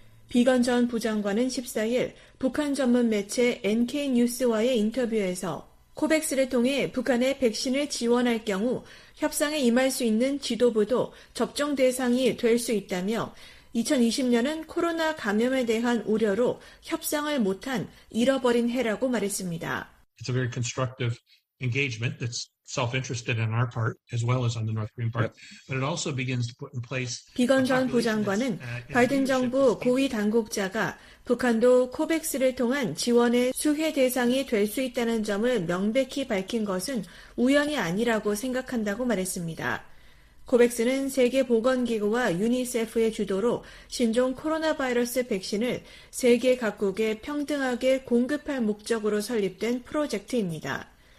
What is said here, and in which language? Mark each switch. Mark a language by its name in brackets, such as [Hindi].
[Korean] 비건 전 부장관은 14일 북한 전문 매체 NK뉴스와의 인터뷰에서 코백스를 통해 북한에 백신을 지원할 경우 협상에 임할 수 있는 지도부도 접종 대상이 될 수 있다며 2020년은 코로나 감염에 대한 우려로 협상을 못한 잃어버린 해라고 말했습니다. [English] It's a very constructive engagement that's self-interested on our part as well as on the North Korean part. But it also begins to put in place [Korean] 비건 전 부장관은 바이든 정부 고위 당국자가 북한도 코백스를 통한 지원의 수혜 대상이 될 수 있다는 점을 명백히 밝힌 것은 우연이 아니라고 생각한다고 말했습니다. 코백스는 세계보건기구와 유니세프의 주도로 신종 코로나 바이러스 백신을 세계 각국에 평등하게 공급할 목적으로 설립된 프로젝트입니다.